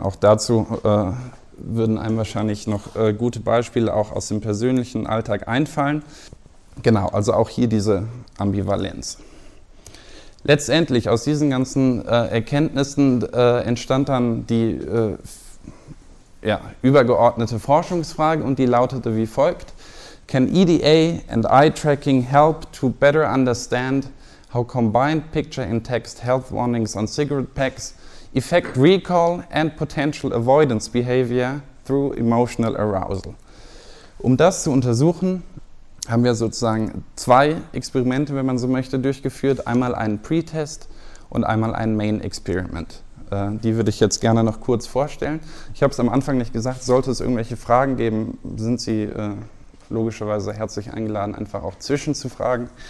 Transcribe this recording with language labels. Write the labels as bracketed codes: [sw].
[de] Auch dazu würden einem wahrscheinlich noch gute Beispiele auch aus dem persönlichen Alltag einfallen. Genau, also auch hier diese Ambivalenz. Letztendlich aus diesen ganzen Erkenntnissen entstand dann die übergeordnete Forschungsfrage und die lautete wie folgt. [en] Can EDA and eye tracking help to better understand how combined picture and text health warnings on cigarette packs affect recall and potential avoidance behavior through emotional arousal? [de] Um das zu untersuchen, haben wir sozusagen zwei Experimente, wenn man so möchte, durchgeführt. Einmal einen Pre-Test und einmal ein Main-Experiment. Die würde ich jetzt gerne noch kurz vorstellen. Ich habe es am Anfang nicht gesagt, sollte es irgendwelche Fragen geben, sind Sie logischerweise herzlich eingeladen, einfach auch zwischenzufragen.